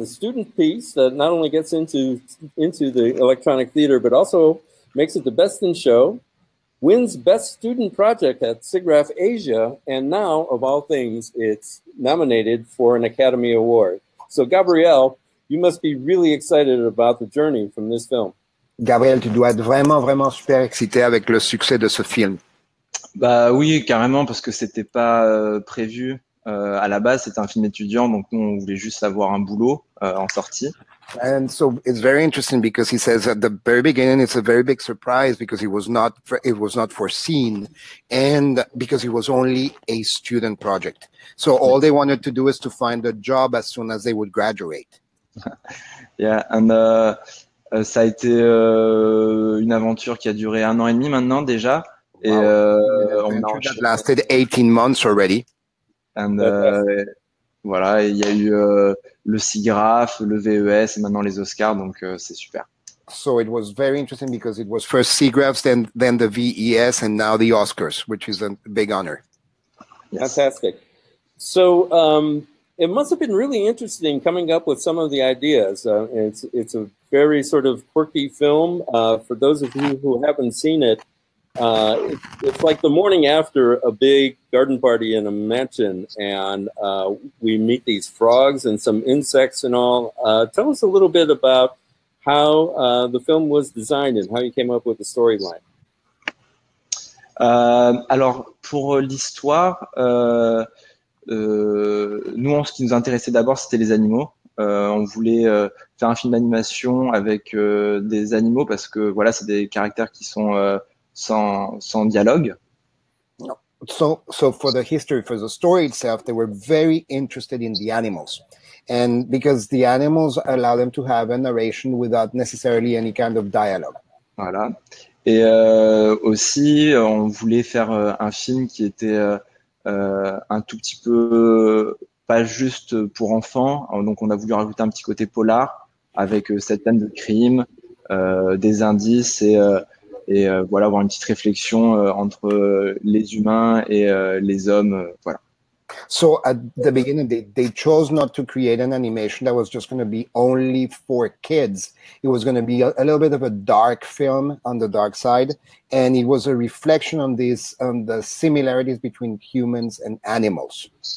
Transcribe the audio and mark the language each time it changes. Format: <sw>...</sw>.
<en>The student piece that not only gets into the electronic theater, but also makes it the best in show, wins best student project at SIGGRAPH Asia, and now, of all things, it's nominated for an Academy Award. So, Gabrielle, you must be really excited about the journey from this film.</en> <fr>Gabriel, tu dois être vraiment, vraiment super excité avec le succès de ce film. Bah oui, carrément, parce que c'était pas prévu. À la base, c'était un film étudiant, donc nous, on voulait juste avoir un boulot en sortie.</fr> <en>And so it's very interesting because he says at the very beginning it's a very big surprise because it was not foreseen, and because it was only a student project. So all they wanted to do is to find a job as soon as they would graduate. Yeah, and</en> <fr>ça a été une aventure qui a duré 1 an et demi maintenant déjà, et</fr> <en>Wow, an</en> <fr>on a</fr> <en>adventure that</en> <fr>enchaîné.</fr> <en>lasted 18 months already. And Fantastic.</en> <fr>voilà, il y a eu le SIGGRAPH, le VES et maintenant les Oscars, donc c'est super.</fr> <en>So it was very interesting because it was first SIGGRAPH, then the VES, and now the Oscars, which is a big honor. Yes. Fantastic. So it must have been really interesting coming up with some of the ideas. It's a very sort of quirky film. For those of you who haven't seen it, it's like the morning after a big garden party in a mansion, and we meet these frogs and some insects and all. Tell us a little bit about how the film was designed and how you came up with the storyline.</en> <fr>Alors, pour l'histoire, nous, ce qui nous intéressait d'abord, c'était les animaux. On voulait faire un film d'animation avec des animaux parce que voilà, c'est des caractères qui sont sans dialogue.</fr> <en>So for the history, for the story itself, they were very interested in the animals. And because the animals allow them to have a narration without necessarily any kind of dialogue.</en> <fr>Voilà. Et aussi, on voulait faire un film qui était un tout petit peu pas juste pour enfants. Donc, on a voulu rajouter un petit côté polar avec cette scène de crime, des indices et voilà, avoir une petite réflexion entre les humains et les hommes. Voilà.</fr> <en>So at the beginning, they chose not to create an animation that was just going to be only for kids. It was going to be a little bit of a dark film on the dark side, and it was a reflection on this, on the similarities between humans and animals.</en>